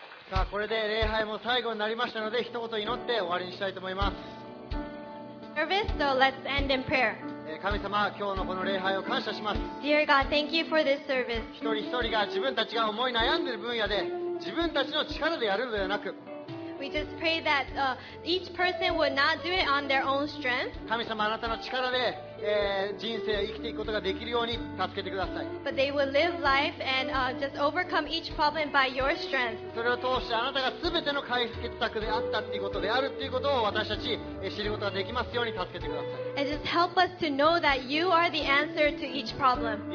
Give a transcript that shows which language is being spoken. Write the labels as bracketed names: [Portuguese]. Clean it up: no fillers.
[Japanese] さあ、これで礼拝も最後になりましたので、一言祈って終わりにしたいと思います。 [English] Service, so let's end in prayer. [Japanese] 神様、今日のこの礼拝を感謝します。 [English] Dear God, thank you for this service. [Japanese] 一人一人が自分たちが思い悩んでいる分野で、自分たちの力でやるのではなく、 [English] We just pray that each person would not do it on their own strength. [Japanese] 神様、あなたの力で、人生を生きていくことができるように助けてください。 [English] But they would live life and just overcome each problem by your strength. [Japanese] それを通してあなたが全ての解決策であったっていうことであるっていうことを私たち知ることができますように助けてください。 [English] And just help us to know that you are the answer to each problem.